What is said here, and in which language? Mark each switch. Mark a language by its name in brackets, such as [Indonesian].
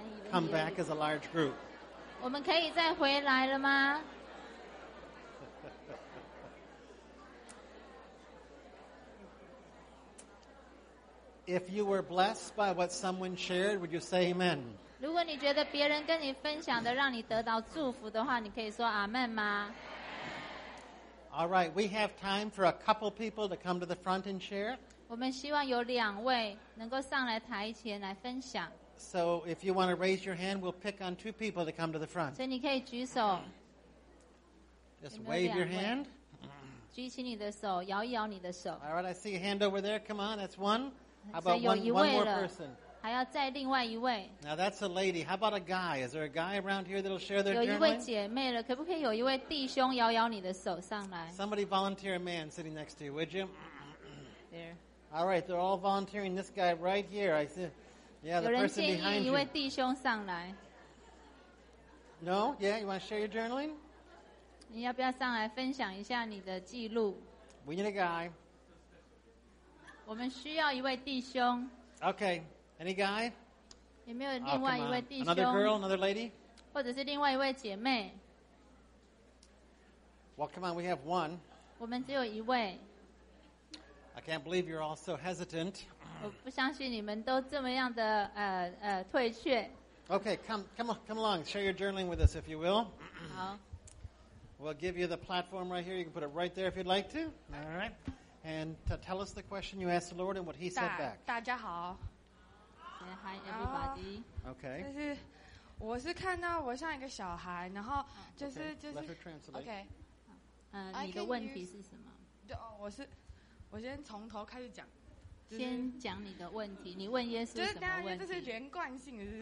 [English] Come back as a large group. [Chinese] 我们可以再回来了吗？ [English] If you were blessed by what someone shared, would you say amen? [Chinese] 如果你觉得别人跟你分享的让你得到祝福的话，你可以说阿门吗？ [English] All right, we have time for a couple people to come to the front and share. [Chinese] 我们希望有两位能够上来台前来分享。 [English] So if you want to raise your hand, we'll pick on two people to come to the front. [Chinese] 所以你可以举手。 [English] Just wave your hand. [Chinese] 举起你的手，摇一摇你的手。 [English] All right, I see a hand over there. Come on, that's one. How about one more person? [Chinese] 还要再另外一位。 [English] Now that's a lady. How about a guy? Is there a guy around here that'll share their journey? [Chinese] 有一位姐妹了，可不可以有一位弟兄摇摇你的手上来 [English] ？Somebody volunteer a man sitting next to you, would you? There. All right, they're all volunteering. This guy right here. I see. Yeah, the person behind you. [Chinese] 有人建议一位弟兄上来。 [English] No? Yeah, you want to share your journaling? [Chinese] 你要不要上来分享一下你的记录 [English] ？We need a guy. [Chinese] 我们需要一位弟兄。 [English] Okay, any guy? [Chinese] 有没有另外一位弟兄 [English] ？Another girl, another lady? [Chinese] 或者是另外一位姐妹 [English] ？Well, come on, we have one. [Chinese] 我们只有一位。 [English] I can't believe you're all so hesitant. [Chinese] 我不相信你们都这么样的退却。 [English] Okay, come along, share your journaling with us if you will. [Chinese] 好。 [English] We'll give you the platform right here. You can put it right there if you'd like to. All right. And to tell us the question you asked the Lord and what He said back. [Chinese] 大家好。 [English] Hi, everybody. Okay. [Chinese] 就是我是看到我像一个小孩，然后就是 [English] okay, [Chinese] 就是。 [English] Let her translate. Okay. [Chinese] 你的问题是什么？就我先从头开始讲、就是。先讲你的问题，你问耶稣什么问题？就是大家这是连贯性的，是不是、